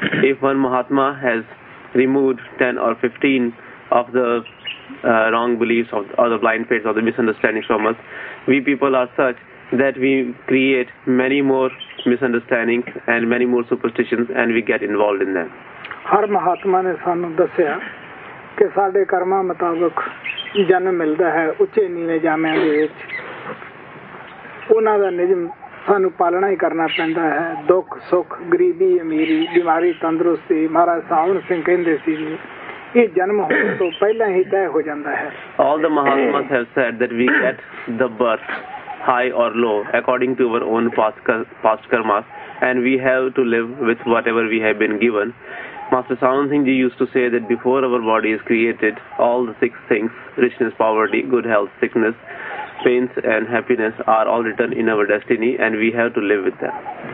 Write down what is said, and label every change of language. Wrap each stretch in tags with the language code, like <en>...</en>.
<en>If one Mahatma has removed 10 or 15 of the wrong beliefs or the blind faiths or the misunderstandings from us, we people are such that we create many more misunderstandings and many more superstitions and we get involved in them.</en> <pa>Har Mahatma ne sanu dassya ke sade karma mutabik ਜਨਮ ਮਿਲਦਾ ਹੈ ਉੱਚੇ ਨੀਵੇਂ ਜਾਮਿਆਂ ਦੇ ਵਿੱਚ, ਉਹਨਾਂ ਦਾ ਨਿਯਮ ਸਾਨੂੰ ਪਾਲਣਾ ਹੀ ਕਰਨਾ ਪੈਂਦਾ ਹੈ। ਦੁੱਖ ਸੁੱਖ, ਗਰੀਬੀ ਅਮੀਰੀ, ਬਿਮਾਰੀ ਤੰਦਰੁਸਤੀ, ਮਹਾਰਾਜ ਸਾਵਣ ਸਿੰਘ ਕਹਿੰਦੇ ਸੀ ਇਹ ਜਨਮ ਹੋਣ ਤੋਂ ਪਹਿਲਾਂ ਹੀ ਤੈਅ ਹੋ ਜਾਂਦਾ ਹੈ।</pa> <en>All the Mahatmas have said that we get the birth high or low according to our own past karmas and we have to live with whatever we have been given. Master Sawan Singh Ji used to say that before our body is created, all the six things, richness, poverty, good health, sickness, pains and happiness are all written in our destiny and we have to live with them.</en>